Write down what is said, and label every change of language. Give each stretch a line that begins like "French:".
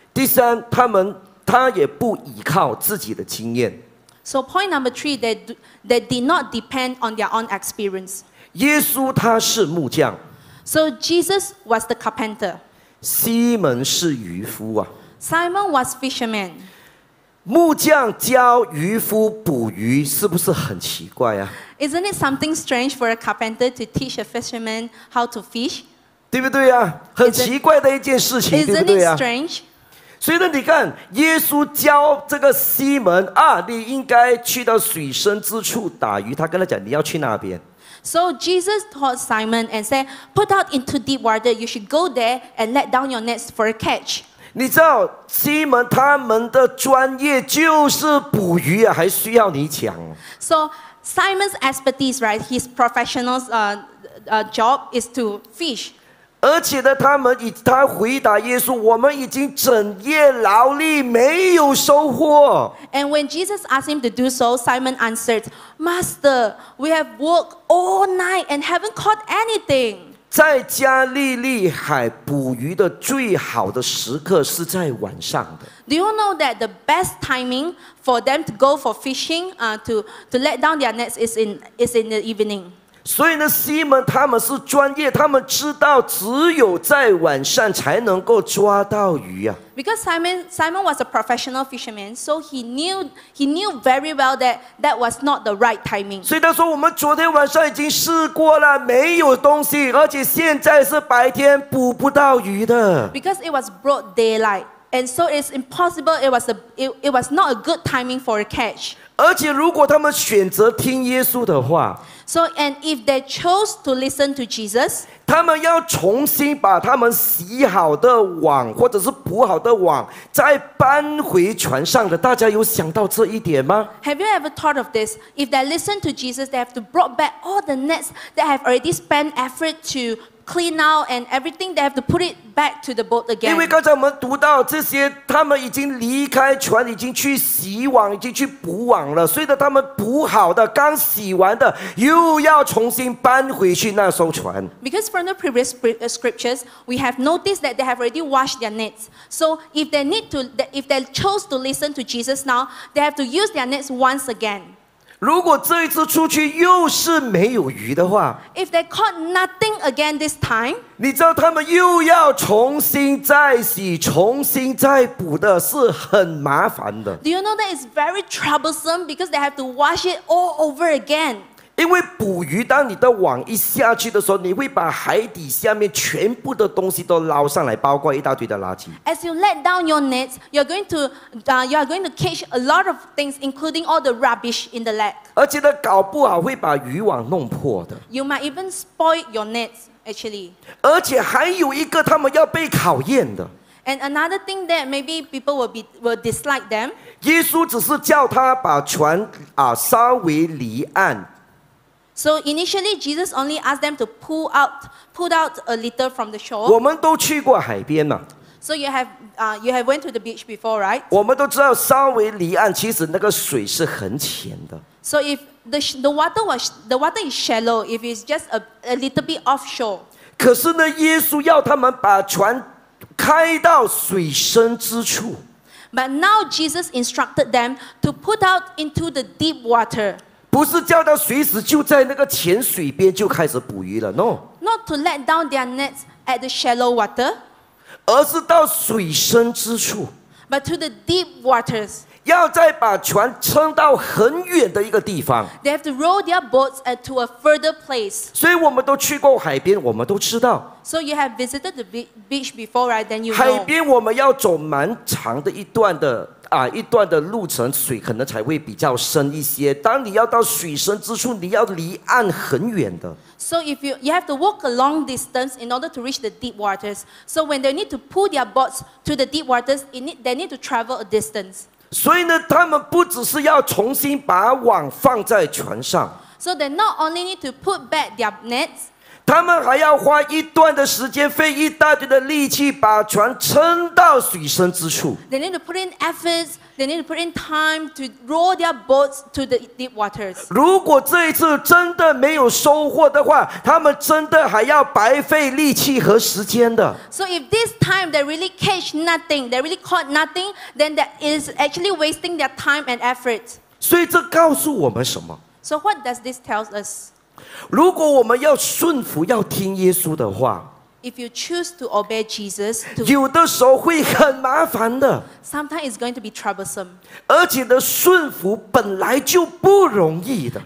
Chinese: 第三，他也不依靠自己的经验。
English: So point number three, they did not depend on their own experience.
Chinese: 耶稣他是木匠。
English: So Jesus was the carpenter.
Chinese: 西门是渔夫啊。
English: Simon was fisherman.
Chinese: 木匠教渔夫捕鱼，是不是很奇怪啊？
English: Isn't it something strange for a carpenter to teach a fisherman how to fish?
Chinese: 对不对啊？很奇怪的一件事情，对不对啊？
English: Isn't it strange?
Chinese: 所以呢，你看，耶稣教这个西门啊，你应该去到水深之处打鱼。他跟他讲，你要去那边。
English: So Jesus taught Simon and said, "Put out into deep water. You should go there and let down your nets for a catch."
Chinese: 你知道西门他们的专业就是捕鱼啊，还需要你讲
English: ？So Simon's expertise, right? His professional job is to fish.
Chinese: 而且呢，他回答耶稣：“我们已经整夜劳力，没有收获。”
English: And when Jesus asked him to do so, Simon answered, "Master, we have worked all night and haven't caught anything."
Chinese: 在加利利海捕鱼的最好的时刻是在晚上的。
English: Do you know that the best timing for them to go for fishing, to let down their nets is in the evening?
Chinese: 所以呢，西门他们是专业，他们知道只有在晚上才能够抓到鱼啊。
English: Because Simon was a professional fisherman, so he knew very well that was not the right timing.
Chinese: 所以他说，我们昨天晚上已经试过了，没有东西，而且现在是白天，捕不到鱼的。
English: Because it was broad daylight, and so it's impossible. It was not a good timing for a catch.
Chinese: 而且如果他们选择听耶稣的话
English: So and if they chose to listen to Jesus
Chinese: 他们要重新把他们洗好的网或者是捕好的网再搬回船上的大家有想到这一点吗
English: Have you ever thought of this? If they listen to Jesus they have to brought back all the nets that have already spent effort toclean out and everything they have to put it back to the boat again
Chinese: 因为刚才我们读到这些他们已经离开船已经去洗网已经去补网了所以他们补好的刚洗完的又要重新搬回去那艘船
English: because from the previous scriptures we have noticed that they have already washed their nets so if they chose to listen to Jesus now they have to use their nets once again
Chinese: 如果这一次出去又是没有鱼的话
English: If they caught nothing again this time
Chinese: 你知道他们又要重新再洗重新再补的是很麻烦的
English: Do you know that it's very troublesome because they have to wash it all over again
Chinese: 因为捕鱼当你的网一下去的时候你会把海底下面全部的东西都捞上来包括一大堆的垃圾
English: As you let down your nets, you are going to catch a lot of things including all the rubbish in the lake.
Chinese: 而且呢搞不好会把渔网弄破的
English: You might even spoil your nets actually.
Chinese: 而且还有一个他们要被考验的
English: And another thing that maybe people will dislike them.
Chinese: 耶稣只是叫他把船稍微离岸
English: So initially, Jesus only asked them to pull out a little from the shore.
Chinese: 我们都去过海边嘛。
English: So you have went to the beach before, right?
Chinese: 我们都知道稍微离岸，其实那个水是很浅的。
English: So if the water is shallow, if it's just a little bit offshore.
Chinese: 可是呢，耶稣要他们把船开到水深之处。
English: But now Jesus instructed them to put out into the deep water.
Chinese: 不是叫他随时就在那个浅水边就开始捕鱼了 ，
English: no。 Not to let down their nets at the shallow water，
Chinese: 而是到水深之处。
English: But to the deep waters，
Chinese: 要再把船撑到很远的一个地方。
English: They have to row their boats to a further place。
Chinese: 所以我们都去过海边，我们都知道。
English: So you have visited the beach before, right? Then you know。
Chinese: 海边我们要走蛮长的一段的。一段的路程水可能才会比较深一些当你要到水深之处你要离岸很远的
English: So if you have to walk a long distance in order to reach the deep waters So when they need to pull their boats to the deep waters they need to travel a distance
Chinese: 所以呢他们不只是要重新把网放在船上
English: So they not only need to put back their nets
Chinese: 他们还要花一段的时间，费一大堆的力气，把船撑到水深之处。
English: They need to put in efforts. They need to put in time to row their boats to the deep waters.
Chinese: 如果这一次真的没有收获的话，他们真的还要白费力气和时间的。
English: So if this time they really catch nothing, they really caught nothing, then that is actually wasting their time and effort.
Chinese: 所以这告诉我们什么？
English: So what does this tell us?
Chinese: 如果我们要顺服要听耶稣的话，
English: If you choose to obey Jesus,
Chinese: 有的时候会很麻烦的。
English: Sometimes it's going to be troublesome.
Chinese: 而且的顺服本来就不容易的。